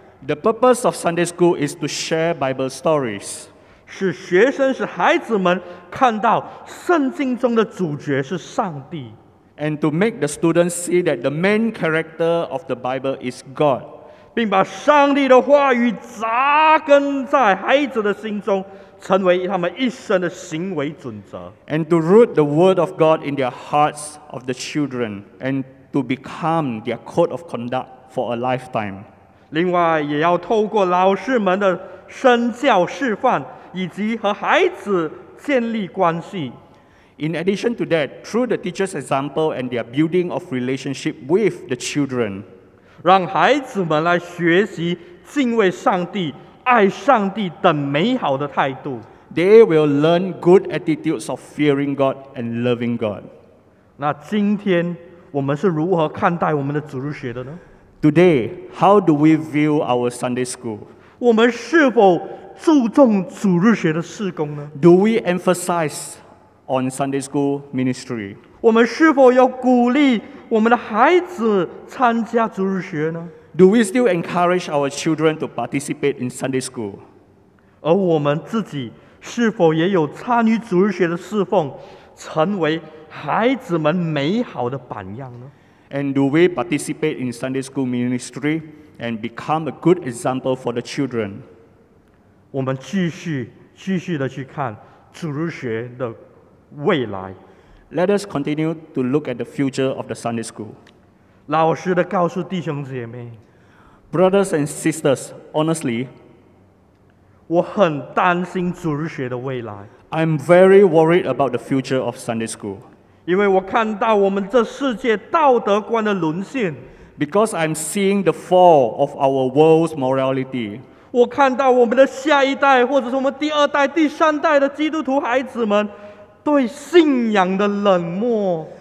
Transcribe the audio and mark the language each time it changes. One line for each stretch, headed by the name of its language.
English: The purpose of Sunday school is to share Bible stories.
Chinese: 使学生、使孩子们看到圣经中的主角是上帝。
English: And to make the students see that the main character of the Bible is God.
Chinese: 并把上帝的话语扎根在孩子的心中，成为他们一生的行为准则。
English: And to root the word of God in their hearts of the children, and to become their code of conduct for a lifetime.
Chinese: 另外也要透过老师们的身教示范以及和孩子建立关系。
English: In addition to that, through the teacher's example and their building of relationship with the children,
Chinese: 让孩子们来学习敬畏上帝、爱上帝等美好的态度。
English: They will learn good attitudes of fearing God and loving God.
Chinese: 那今天我们是如何看待我们的主日学的呢？
English: Today, how do we view our Sunday school?
Chinese: 我们是否注重主日学的事工呢？
English: Do we emphasize on Sunday school ministry?
Chinese: 我们是否要鼓励我们的孩子参加主日学呢？
English: Do we still encourage our children to participate in Sunday school?
Chinese: 而我们自己是否也有参与主日学的侍奉，成为孩子们美好的榜样呢？
English: And do we participate in Sunday school ministry and become a good example for the children?
Chinese: 我们继续的去看主日学的未来。
English: Let us continue to look at the future of the Sunday school.
Chinese: 老实的告诉弟兄姐妹，
English: Brothers and sisters, honestly,
Chinese: 我很担心主日学的未来。
English: I'm very worried about the future of Sunday school.
Chinese: 因为我看到我们这世界道德观的沦陷。
English: Because I'm seeing the fall of our world's morality.
Chinese: 我看到我们的下一代，或者是我们第二代、第三代的基督徒孩子们对信仰的冷漠。